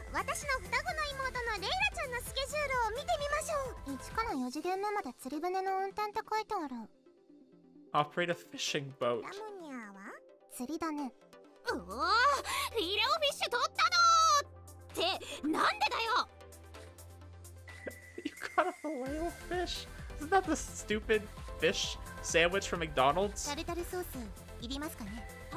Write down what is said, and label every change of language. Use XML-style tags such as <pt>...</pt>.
<ja>私の双子の妹のレイラちゃんのスケジュールを見てみましょう。 1から4次元目まで釣り船の運転って書いてある。</ja> <en>Operate a fishing boat。</en> <ja>ラムニャは釣りだね。おお、フィレオフィッシュ取ったのってなんでだよ。</ja> <en>You caught a fillet of fish? Isn't that the stupid fish sandwich from McDonald's?</en> <ja>タルタルソースいりますかね。</ja>